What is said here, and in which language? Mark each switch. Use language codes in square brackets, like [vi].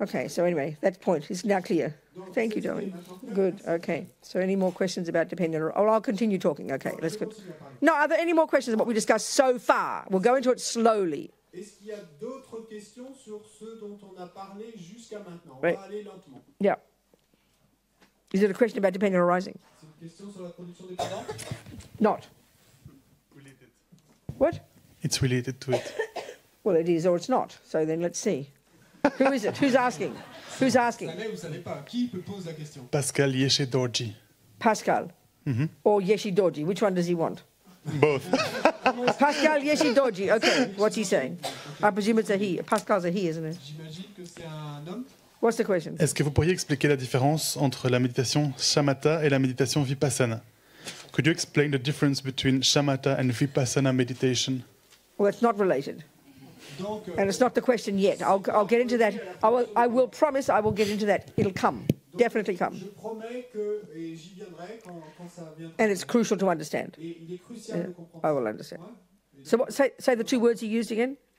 [en] Okay, so anyway, that point is now clear. Thank you, darling. Good, okay. So any more questions about dependent? Or I'll continue talking. Okay, let's go. No, are there any more questions about what we discussed so far? We'll go into it slowly. [fr] Est-ce qu'il y a d'autres questions sur ce dont on a parlé jusqu'à maintenant? On va aller lentement. [en] Yeah. Is it a question about dependent arising? [fr] C'est une question sur la production dépendante? [en] Not. Related. What? It's related to it. Well, it is or it's not. So then let's see. Who is it? Who's asking? Who's asking? [fr] Ça l'est ou ça l'est pas? Qui peut poser la question? [en] Pascal Yeshedorji. Pascal. Mm-hmm. Or Yeshedorji. Which one does he want? Both. Pascal Yeshedorji. Okay, what's he saying? Okay. I presume it's a he. Pascal's a he, isn't it? [fr] J'imagine que c'est un homme. [en] What's the question? [fr] Est-ce que vous pourriez expliquer la différence entre la méditation shamatha et la méditation vipassana? [en] Could you explain the difference between shamatha and vipassana meditation? Well, it's not related. [fr] Donc, [en] and it's not the question yet. I'll get into that. I will promise I will get into that. It'll come. [fr] Donc, [en] definitely come. [fr] Je promets que, et j'y viendrai quand ça vient. [en] And it's crucial to understand. [fr] Et il est crucial de comprendre. [en] I will understand. So what, say the two words you used again.